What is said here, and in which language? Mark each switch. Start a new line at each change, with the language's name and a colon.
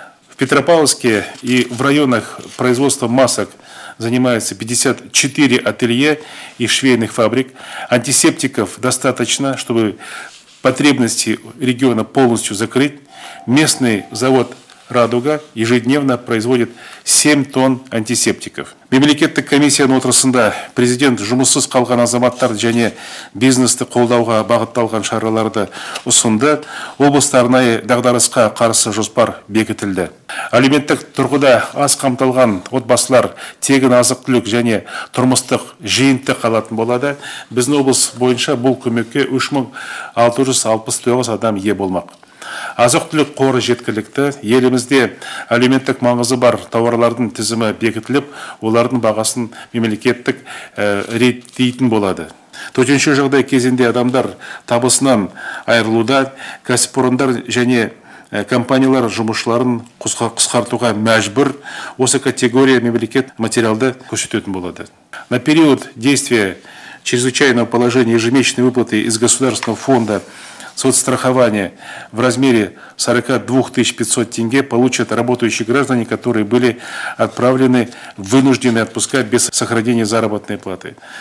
Russian: В Петропавловске и в районах производства масок занимаются 54 ателье и швейных фабрик. Антисептиков достаточно, чтобы потребности региона полностью закрыть. Местный завод «Радуга» ежедневно производит 7 тонн антисептиков.
Kazakh: Мемлекеттік комиссияның отырысында президент жұмыссыз қалған азаматтар және бизнесті қолдауға бағытталған шараларды ұсынды. Облыстарына дағдарысқа қарсы жоспар бекітілді. Әлеуметтік тұрғыда аз қамталған отбасылар тегін азық-түлік және тұрмыстық жиынтық қалатын болады. Біздің облыс бойынша бұл көмекке 3669 адам ие болмақ. Азық-түлік қоры жеткілікті, елімізде әлеуметтік маңызы бар тауарлардың тізімі бекітіліп, олардың бағасын мемлекеттік реттейтін болады. Төтенше жағдай кезінде адамдар табысынан айырылуда, кәсіпорындар және компаниялар жұмысшыларын қысқартуға мәжбүр, осы категория мемлекет материалды көрсететін болады.
Russian: На период действия чрезвычайного положения ежемесячные выплаты из государственного фонда соцстрахования в размере 42 500 тенге получат работающие граждане, которые были отправлены в вынужденные отпуска без сохранения заработной платы.